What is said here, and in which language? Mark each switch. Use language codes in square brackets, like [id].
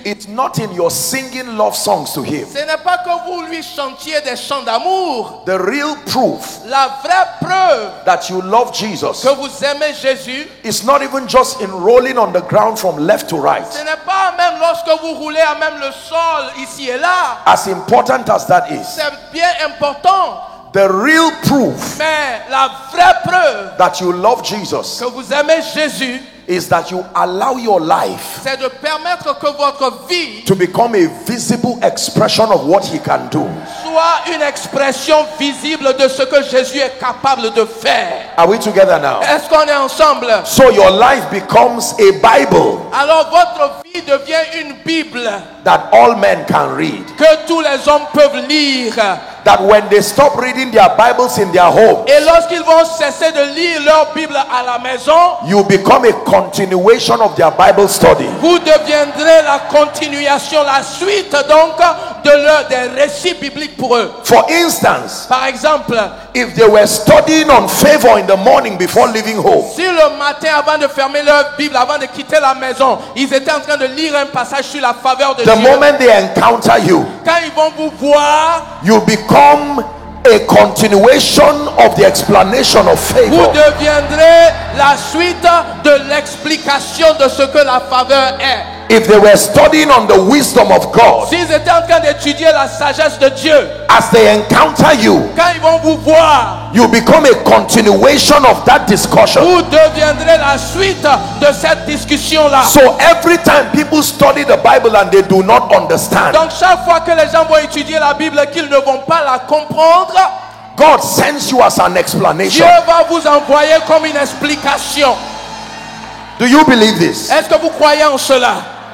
[en] it's not in your singing love songs to him. [fr] Ce n'est pas que vous lui chantiez des chants d'amour. [en] The real proof, [fr] la vraie preuve, [en] that you love Jesus, [fr] que vous aimez Jésus, [en] is not even just in rolling on the ground from left to right. [fr] Ce n'est pas même lorsque vous roulez à même le sol ici et là. [en] As important as that is. [fr] C'est bien important. [en] The real proof, [fr] mais la vraie preuve, [en] that you love Jesus, [fr] que vous aimez Jésus, [en] is that you allow your life, [fr] c'est de permettre que votre vie, [en] to become a visible expression of what he can do, [fr] soit une expression visible de ce que Jésus est capable de faire. [en] Are we together now? [fr] Est-ce qu'on est ensemble? [en] So your life becomes a Bible. [fr] Alors votre vie devient une Bible. [en] That all men can read. [fr] Que tous les hommes peuvent lire. [en] That when they stop reading their Bibles in their home, [fr] et lorsqu'ils vont cesser de lire leur Bible à la maison, [en] you become a continuation of their Bible study. [fr] Vous deviendrez la continuation, la suite donc de leur des récits bibliques pour eux. [en] For instance, [fr] par exemple, [en] if they were studying on favor in the morning before leaving home, [fr] si le matin avant de fermer leur Bible, avant de quitter la maison, ils étaient en train de lire un passage sur la faveur de [en] the [fr] Dieu, [en] the moment they encounter you, [fr] quand ils vont vous voir, [en] you become a continuation of the explanation of favor. [fr] Vous deviendrez la suite de l'explication de ce que la faveur est. [en] If they were studying on the wisdom of God, [fr] s'ils étaient en train d'étudier la sagesse de Dieu, [en] as they encounter you, [fr] quand ils vont vous voir, [en] you become a continuation of that discussion. [fr] Vous deviendrez la suite de cette discussion là. [en] So every time people study the Bible and they do not understand, [fr] donc chaque fois que les gens vont étudier la Bible qu'ils ne vont pas la comprendre, [en] God sends you as an explanation. [fr] Dieu va vous envoyer comme une explication. [en] Do you believe this? [fr] Est-ce que vous croyez en cela?